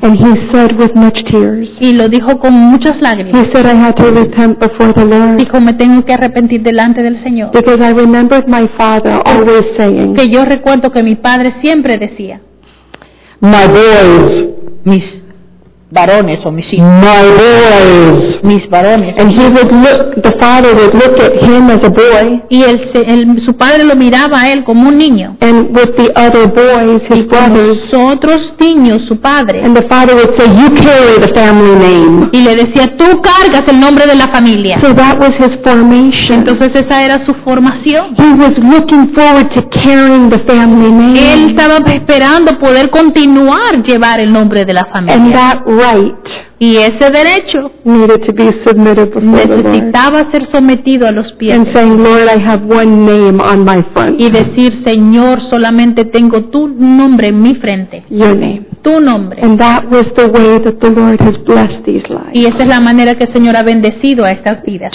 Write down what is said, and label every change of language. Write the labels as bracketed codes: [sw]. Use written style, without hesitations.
[en] And he said with much tears. [es] Y lo dijo con muchas lágrimas. [en] He said, I had to repent before the Lord. [es] Dijo, me tengo que arrepentir delante del Señor. [en] Because I remembered my father always saying. [es] Que yo recuerdo que mi padre siempre decía. [en] My boys, [es] mis varones o mis hijos. [en] My boys, [es] mis varones. [en] And he would look, the father would look at him as a boy. [es] Y el su padre lo miraba a él como un niño. [en] And with the other boys, his brothers. [es] Y otros niños, su padre. [en] And the father would say, "You carry the family name." [es] Y le decía, tú cargas el nombre de la familia. [en] So that was his formation. [es] Entonces esa era su formación. [en] He was looking forward to carrying the family name. [es] Él estaba esperando poder continuar llevar el nombre de la familia. [en] And that right. [es] Y ese derecho [en] needed to be submitted before [es] necesitaba ser sometido a los pies. [en] And saying, Lord, I have one name on my front. [es] Y decir, Señor, solamente tengo tu nombre en mi frente. [en] Your name. [es] Tu nombre. [en] And that was the way that the Lord has blessed these lives. [es] Y esa es la manera que el Señor ha bendecido a estas vidas.